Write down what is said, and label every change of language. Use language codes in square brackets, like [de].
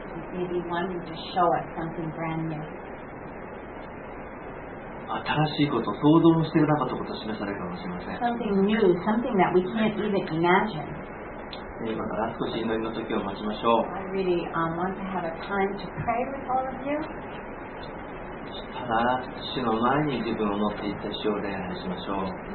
[en] Maybe wanting to show us something brand new. [ja] 新しいこと、想像もしてなかったことを示されるかもしれません。 [en] Something new, something that we can't even imagine. [ja] 今から少し祈りの時を待ちましょう。 [en] I really want to have a time to pray with all of you. [ja] ただ主の前に自分を乗っていって主を礼拝しましょう。